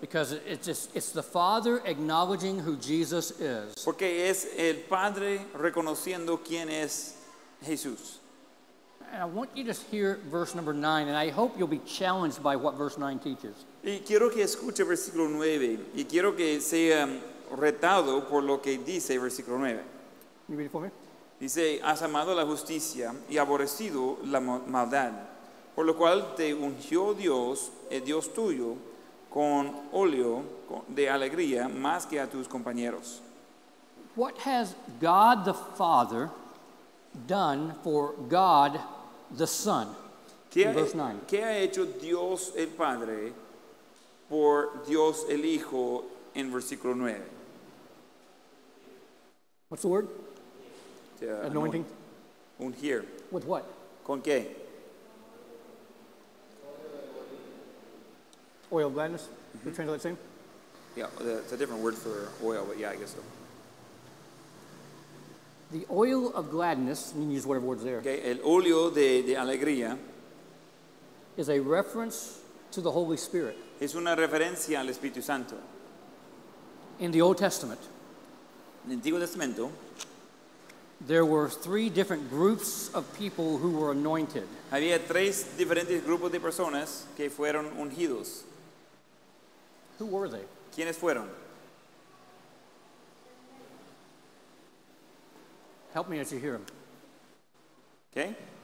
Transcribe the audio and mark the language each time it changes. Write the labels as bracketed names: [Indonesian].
[English] Because it's the Father acknowledging who Jesus is. [Spanish] Porque es el Padre reconociendo quién es Jesús. [English] And I want you to hear verse number 9, and I hope you'll be challenged by what verse 9 teaches. [Spanish] Y quiero que escuche versículo 9, y quiero que sea retado por lo que dice versículo 9. [English] Can you read it for me? [Spanish] Dice, has amado la justicia y aborrecido la maldad, por lo cual te ungió Dios, el Dios tuyo, con óleo de alegría más que a tus compañeros. [English] What has God the Father done for God the Son? Verse 9. [Spanish] ¿Qué ha hecho Dios el Padre por Dios el Hijo en versículo 9? [English] What's the word? Anointing. [Spanish] Ungir. [English] With what? [Spanish] ¿Con qué? [English] Oil of gladness. Mm-hmm. Can translate the same? Yeah, it's a different word for oil, but yeah, I guess so. The oil of gladness, you can use whatever word's there. [Spanish] Okay, el óleo de alegría. [English] Is a reference to the Holy Spirit. [Spanish] Es una referencia al Espíritu Santo. [English] In the Old Testament. [Spanish] En el Antiguo Testamento. [English] There were three different groups of people who were anointed. [Spanish] Había tres diferentes grupos de personas que fueron ungidos. [English] Who were they? [Spanish] ¿Quiénes fueron? [English] Help me as you hear them. Okay.